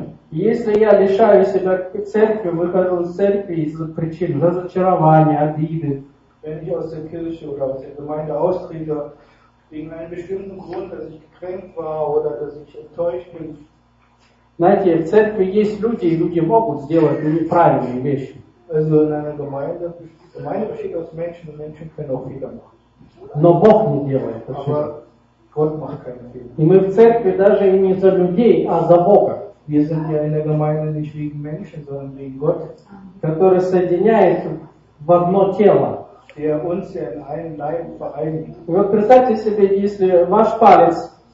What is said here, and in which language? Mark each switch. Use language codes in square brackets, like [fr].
[ru] Если я лишаю себя церкви, выхожу из церкви из-за причин разочарования, обиды, [de] wenn ich aus der Kirche oder aus der Gemeinde austrete, wegen einem bestimmten Grund, dass ich gekränkt war oder dass ich enttäuscht bin. [ru] Знаете, в церкви есть люди, и люди могут сделать неправильные вещи. [de] Also in einer Gemeinde, Gemeinde besteht aus Menschen, und Menschen können auch Fehler machen. [ru] Но Бог не делает. [de] Aber Gott macht keine Fehler. [ru] И мы в церкви даже не за людей, а за Бога. [de] Wir sind ja in der Gemeinde nicht wegen Menschen, sondern wegen Gott, [ru] который соединяет в одно тело. [de] Der uns in einem Leib vereinigt. [ru] Вот представьте себе, если ваш палец